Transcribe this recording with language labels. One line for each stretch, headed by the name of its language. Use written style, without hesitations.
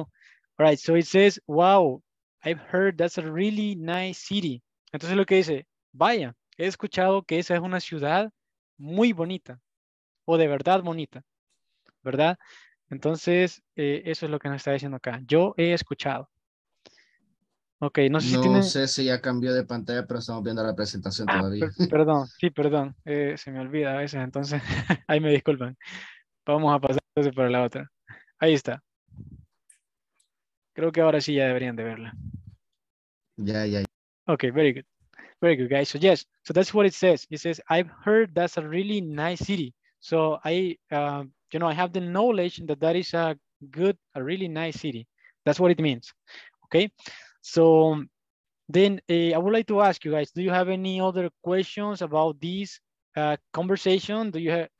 English: All right, so it says, wow, I've heard that's a really nice city.
Spanish: Entonces lo que dice, vaya, he escuchado que esa es una ciudad muy bonita. O de verdad bonita. ¿Verdad? Entonces, eso es lo que nos está diciendo acá. Yo he escuchado. Ok, no sé si no tiene... No sé si ya cambió de pantalla, pero estamos viendo la presentación todavía. Perdón. Se me olvida a veces, entonces, ahí me disculpan. Vamos a pasar entonces para la otra. Ahí está. Creo que ahora sí ya deberían de verla. Ya.
English: Ok, very good. Very good, guys. So, yes. So, that's what it says. It says, I've heard that's a really nice city. So, I have the knowledge that is a really nice city. That's what it means. Okay. So then I would like to ask you guys, do you have any other questions about this conversation? Do you